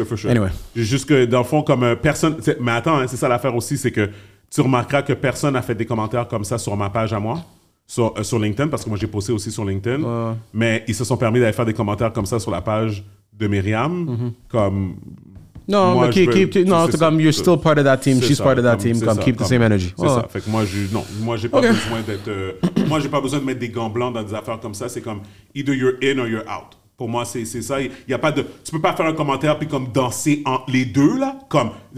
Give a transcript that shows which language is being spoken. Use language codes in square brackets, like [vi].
[en] Anyway. [fr] Juste que, dans le fond, comme personne. Mais attends, hein, c'est ça l'affaire aussi, c'est que. Tu remarqueras que personne n'a fait des commentaires comme ça sur ma page à moi, sur LinkedIn, parce que moi, j'ai posté aussi sur LinkedIn. Mais ils se sont permis d'aller faire des commentaires comme ça sur la page de Myriam, comme... Non, moi, mais [en] you're still part of that team, she's part of that team, keep the same energy. [fr] C'est ça, fait que moi, j'ai pas besoin de mettre des gants blancs dans des affaires comme ça, c'est comme [en] either you're in or you're out. [fr] Pour moi, c'est ça, y a pas de... Tu peux pas faire un commentaire puis comme danser en les deux, là, comme...